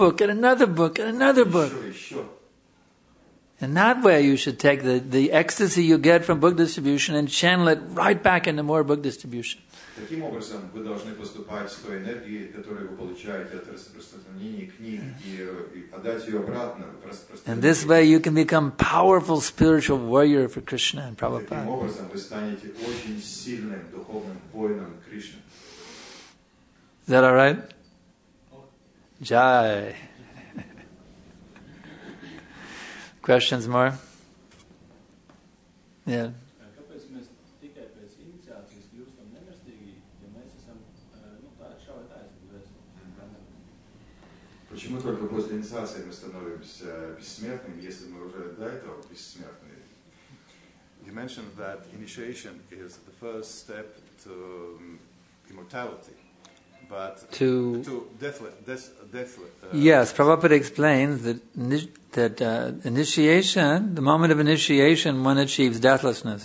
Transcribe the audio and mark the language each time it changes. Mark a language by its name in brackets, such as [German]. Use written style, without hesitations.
[English] And another book. And that way you should take the ecstasy you get from book distribution and channel it right back into more book distribution. [Russian] Таким образом, вы должны поступать с той энергией, которую вы получаете от распространения книг, и отдать ее обратно в распространение. [English] And this way you can become powerful spiritual warrior for Krishna and Prabhupada. [Russian] Таким образом, вы станете очень сильным духовным воином Кришны. [English] Is that all right? Jai. Questions more? Yeah. [Russian] Почему только после инициации мы становимся бессмертными, если мы уже до этого бессмертны? [English] You mentioned that initiation is the first step to immortality, but to deathless. Yes, Prabhupada explains that initiation, the moment of initiation, one achieves deathlessness.